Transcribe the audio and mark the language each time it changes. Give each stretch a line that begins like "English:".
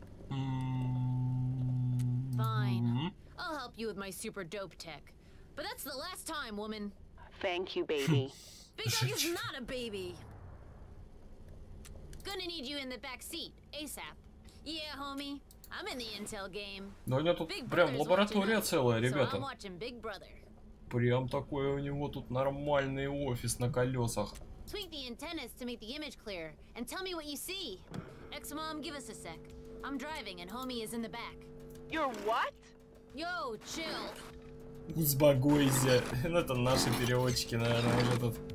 English: Fine. I'll help you with my super dope tech. But that's the last time, woman. Thank you, baby. Big Dog is not a baby. Gonna need you in the back seat, ASAP. Yeah, homie. I'm in the intel game.
Russian: Но у него тут прям лаборатория целая, ребята. Прям такой у него тут нормальный офис на колесах.
English: Tweak the antennas to make the image clear and tell me what you see. Ex-mom, give us a sec. I'm driving and homie is in the back. You're what? Yo, chill.
Russian: Узбагойся. Ну это наши переводчики, наверное, уже тут.